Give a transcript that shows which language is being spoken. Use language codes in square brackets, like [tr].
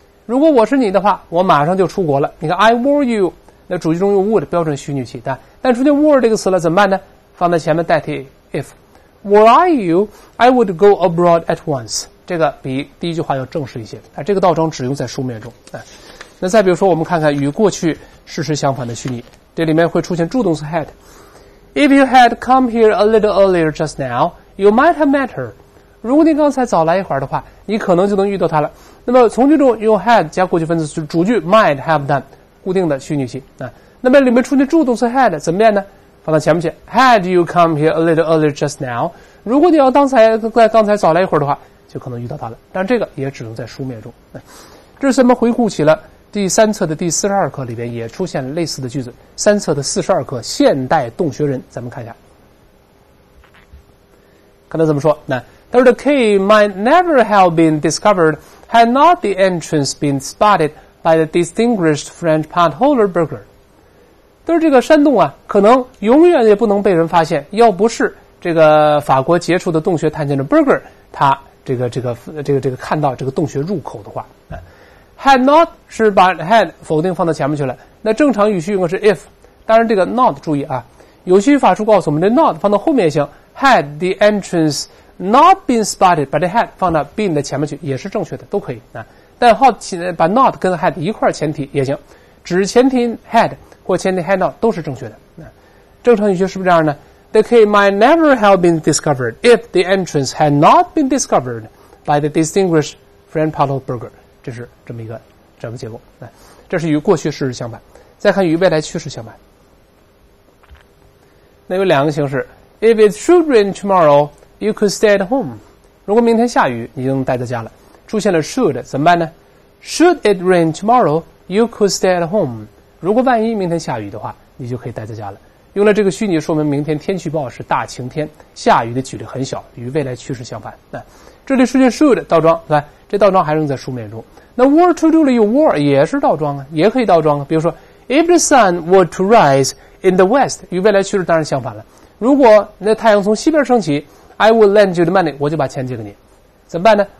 [zh] 如果我是你的话，我马上就出国了。你看 [en] I were you， [zh] 那主句中用 would 标准虚拟语气，但出现 were 这个词了怎么办呢？放在前面代替 if。 [en] Were I you, I would go abroad at once， [zh] 这个比第一句话要正式一些，这个倒装只用在书面中。那再比如说我们看看与过去事实相反的虚拟，这里面会出现助动词 had。 [en] If you had come here a little earlier just now, you might have met her。 [zh] 如果你刚才早来一会儿的话，你可能就能遇到他了。那么从句中用 had 加过去分词，主句 might have done 固定的虚拟语气，那么里面出现助动词 had 怎么变呢？放到前面去， [en] had you come here a little earlier just now， [zh] 如果你要刚才早来一会儿的话，就可能遇到他了，但这个也只能在书面中。这是咱们回顾起了第三册的第42课，里边也出现类似的句子，三册的42课现代动学人，咱们看一下看他怎么说。但是 [en] the key might never have been discovered had not the entrance been spotted by the distinguished French pot holder Burger。 [zh] 但是这个山洞啊，可能永远也不能被人发现，要不是这个法国杰出的洞穴探险者 Burger 他这个看到这个洞穴入口的话。 had not 是把 had 否定放到前面去了，那正常语序应该是 if， 当然这个 not 注意啊，有些语法书告诉我们这 not 放到后面也行， [en] had the entranceNot been spotted， [zh] 把这 had 放到 been 的前面去也是正确的，都可以啊。但后把 not 跟 had 一块前提也行，只前提 had 或前提 had not 都是正确的啊。正常语序是不是这样呢？ [en] The key might never have been discovered if the entrance had not been discovered by the distinguished Frank Pottle Burger。 [zh] 这是这么一个整个结构啊。这是与过去事实相反，再看与未来趋势相反。那有两个形式， [en] If it should rain tomorrow，You could stay at home。 [zh] 如果明天下雨你就能待在家了，出现了 should 怎么办呢？ [en] Should it rain tomorrow, you could stay at home。 [zh] 如果万一明天下雨的话，你就可以待在家了，用了这个虚拟说明明天天气预报是大晴天，下雨的几率很小，与未来趋势相反。那这里出现 should 倒装，对吧，这倒装还用在书面中。那 were to do 里有 were 也是倒装啊，也可以倒装啊。比如说 [en] If the sun were to rise in the west， [zh] 与未来趋势当然相反了，如果那太阳从西边升起， [en] I will lend you the money， [zh] 我就把钱借给你，怎么办呢？